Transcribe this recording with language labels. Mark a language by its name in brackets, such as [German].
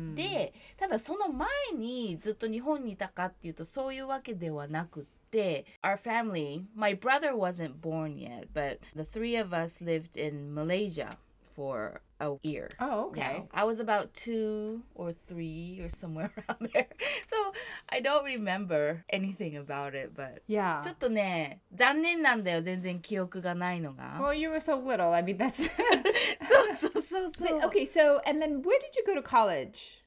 [Japanese] で、ただその前にずっと日本にいたかっていうとそういうわけではなくて、 [English] our family, my brother wasn't born yet, but the three of us lived in Malaysia for a year. Oh, okay. You know? I was about 2 or 3 or somewhere around there. So I don't remember anything about it, but yeah. [Japanese] ちょっとね、残念なんだよ、全然記憶がないのが。 [English] Well, you were so little. I mean, that's... [Japanese] そうそうそうそう。But, [English] okay, so, and then where did you go to college?